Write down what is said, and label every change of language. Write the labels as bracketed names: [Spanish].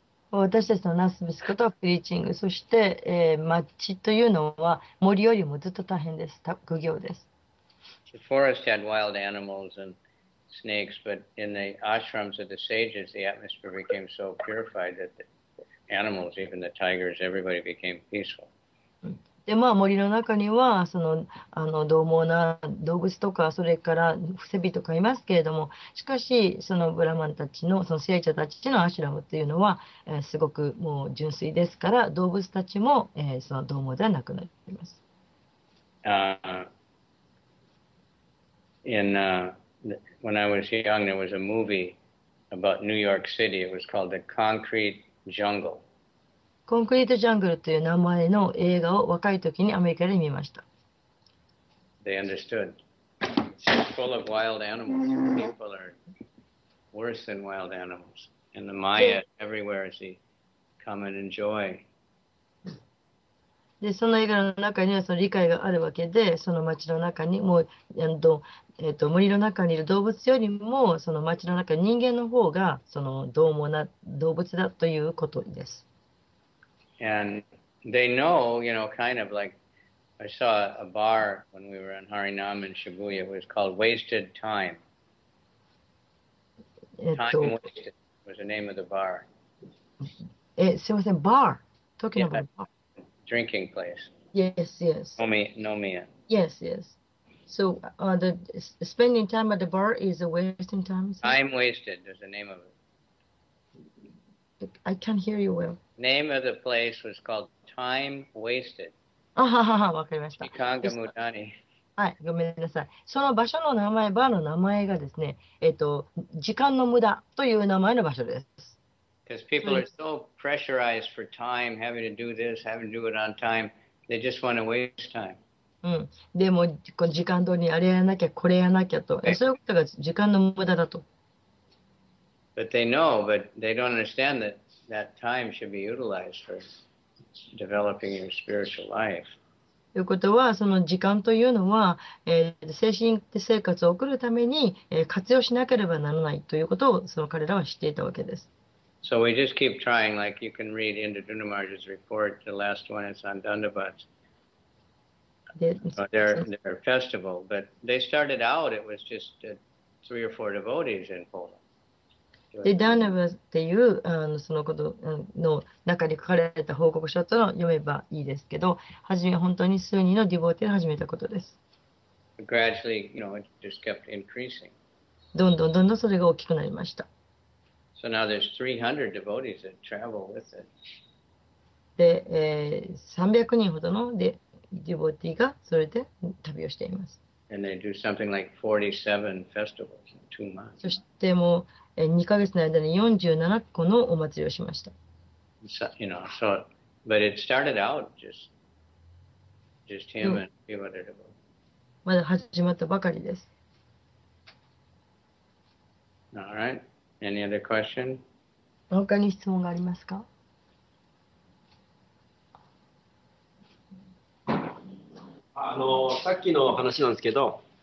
[Japanese] 私たちのなすべきことはプリーチング、そして、町というのは森よりもずっと大変です、苦行です。 [English] The forest had wild animals and snakes, but in the ashrams of the sages, the atmosphere became so purified that the animals, even the tigers, everybody became peaceful. [Japanese] でまあ、森の中にはそのあの獰猛な動物とかそれから伏せ火とかいますけれども、しかしそのブラマンたちのその聖者たちのアシュラムというのは、すごくもう純粋ですから、動物たちも、その獰猛ではなくなります。 [English] When I was young, there was a movie about New York City. It was called The Concrete Jungle. [Japanese] コンクリートジャングルという名前の映画を若い時にアメリカで見ました。 [English] They understood. It's full of wild animals. People are worse than wild animals. And the Maya everywhere is the come and enjoy. [Japanese] で、その映画の中にはその理解があるわけで、その街の中にもう、森の中にいる動物よりも、その街の中に人間の方が、その獰猛な動物だということです。 [English] And they know, you know, kind of like I saw a bar when we were in Harinam in Shibuya. It was called Wasted Time. Time Wasted was the name of the bar. [Japanese] すいません、 [English] bar. Talking about bar. Drinking place. Yes, yes. [Japanese] Nomiya. [English] Yes, yes. So the spending time at the bar is a wasting time? Time Wasted is the name of it. I can't hear you well. Name of the place was called Time Wasted. [Japanese] わかりました。 Chikanga Mutani. はい、ごめんなさい。その場所の名前、バーの名前がですね、時間の無駄という名前の場所です。 [English] Because people are so pressurized for time, having to do this, having to do it on time, they just want to waste time. [Japanese] うん。でも、この時間通りにあれやらなきゃ、これやらなきゃと、そういうことが時間の無駄だと。 [English] But they know, but they don't understand that that time should be utilized for developing your spiritual life. [Japanese] ということは、その時間というのは、精神生活を送るために、活用しなければならないということをその彼らは知っていたわけです。 [English] So we just keep trying, like you can read Indra Dhunamarja's report, the last one is on Dandavats. Their festival, but they started out, it was just three or four devotees in Poland. [Japanese] で、ダーナバっていうあのそのことの中に書かれた報告書との読めばいいですけど、初めは本当に数人のディボーティーを始めたことです。 [English] Gradually, you know, it just kept increasing. [Japanese] どんどんどんどんそれが大きくなりました。 [English] So now there's 300 devotees that travel with it. [Japanese] で、300人ほどのディボーティーがそれで旅をしています。 [English] And they do something like 47 festivals in 2 months. [Japanese] そしてもう2ヶ月の間に47個のお祭りをしました。 [English] So, you know, so, but it started out just him and people that were. [Japanese] まだ始まったばかりです。 [English] All right. Any other question? [Japanese] 他に質問がありますか？さっきの話なんですけど、